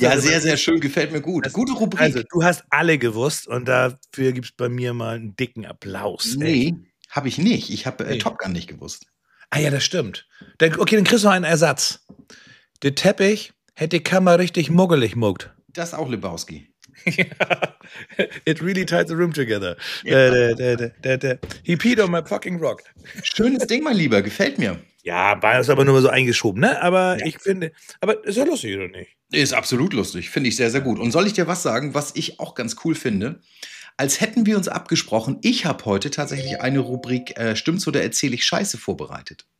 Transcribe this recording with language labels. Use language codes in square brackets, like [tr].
[de] ja, sehr, sehr sehen. Schön. Gefällt mir gut. Gute Rubrik. Also, du hast alle gewusst und dafür gibt's bei mir mal einen dicken Applaus. Nee, habe ich nicht. Ich habe Top Gun nicht gewusst. Ah ja, das stimmt. Dann kriegst du einen Ersatz. Der Teppich hätte die Kammer richtig muggelig muckt. Das auch Lebowski. [en] It really ties the room together. Ja. He peed on my fucking rock. [de] Schönes Ding, mein Lieber. Gefällt mir. Ja, war es aber nur mal so eingeschoben, ne? Aber ja. Ich finde, aber ist ja lustig, oder nicht? Ist absolut lustig, finde ich sehr, sehr gut. Und soll ich dir was sagen, was ich auch ganz cool finde? Als hätten wir uns abgesprochen, ich habe heute tatsächlich eine Rubrik Stimmt's oder erzähle ich Scheiße vorbereitet.